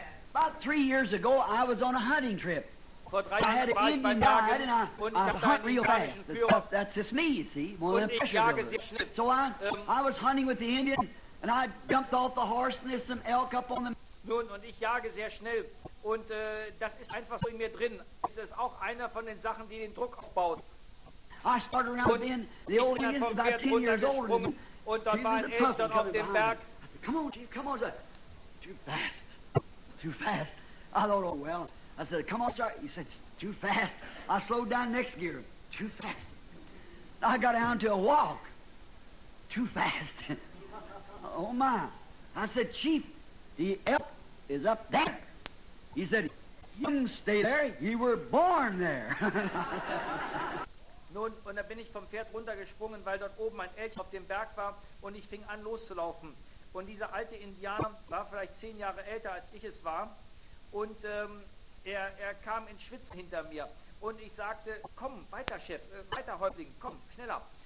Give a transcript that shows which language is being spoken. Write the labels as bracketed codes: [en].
[en] About 3 years ago, I was on a hunting trip. I had an Indian guide and I hunt real fast. That's just me, you see. One of the so I was hunting with the Indian and I jumped off the horse and there's some elk up on the [de] nun, und ich jage sehr schnell. Und das ist einfach so in mir drin. Das ist auch einer von den Sachen, die den Druck aufbaut. [en] I started around then. The old Indian is about 10 years old. [de] Und dort war ein Elster auf dem Berg. [en] Come on, Chief, come on, sir. Too fast. Too fast. I thought, oh, well. I said, come on, sir. He said, too fast. I slowed down next gear. Too fast. I got down to a walk. Too fast. Oh, my. I said, Chief, the elk is up there. He said, you didn't stay there. You were born there. [de] Nun, und dann bin ich vom Pferd runtergesprungen, weil dort oben ein Elch auf dem Berg war und ich fing an loszulaufen. Und dieser alte Indianer war vielleicht 10 Jahre älter, als ich es war. Und er kam in Schwitzen hinter mir. Und ich sagte, komm, weiter, Chef, weiter, Häuptling, komm, schneller.